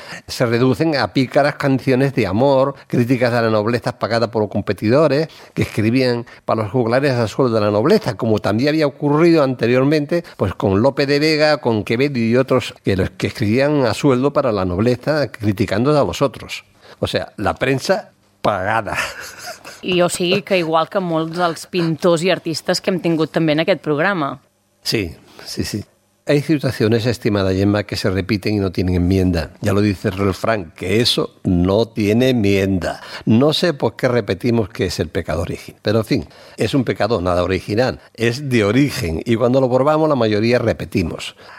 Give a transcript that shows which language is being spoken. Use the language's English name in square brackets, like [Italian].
[Spanish] Se reducen a pícaras canciones de amor, críticas de la nobleza pagada por los competidores que escribían para los juglares a sueldo de la nobleza, como también había ocurrido anteriormente pues con Lope de Vega, con Quevedo y otros que escribían a sueldo para la nobleza criticando a los otros. O sea, la prensa pagada. [Catalan] Y o sigui que igual que molts dels pintors i artistes que hem tingut també en aquest programa. [Spanish] Sí. Sí, sí. Hay situaciones, estimada Gemma, que se repiten y no tienen enmienda. Ya lo dice el refrán, que eso no tiene enmienda. No sé por qué repetimos que es el pecado origen. Pero, en fin, es un pecado nada original. Es de origen. Y cuando lo probamos, la mayoría repetimos.